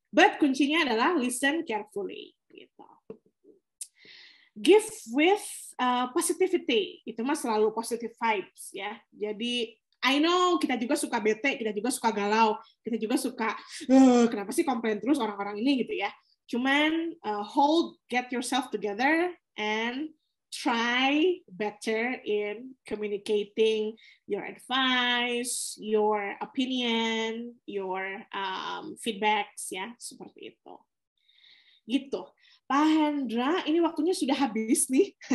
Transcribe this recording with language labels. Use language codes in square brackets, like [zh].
[en] But [id] kuncinya adalah [en] listen carefully. [id] Gitu. [en] Give with positivity. [id] Itu mah selalu positive vibes, ya. Jadi, [en] I know [id] kita juga suka bete, kita juga suka galau, kita juga suka, kenapa sih komplain terus orang-orang ini, gitu ya. [en] Cuman, hold, get yourself together, and try better in communicating your advice, your opinion, your feedbacks, ya, [id] seperti itu. Gitu. Pak Hendra, ini waktunya sudah habis nih.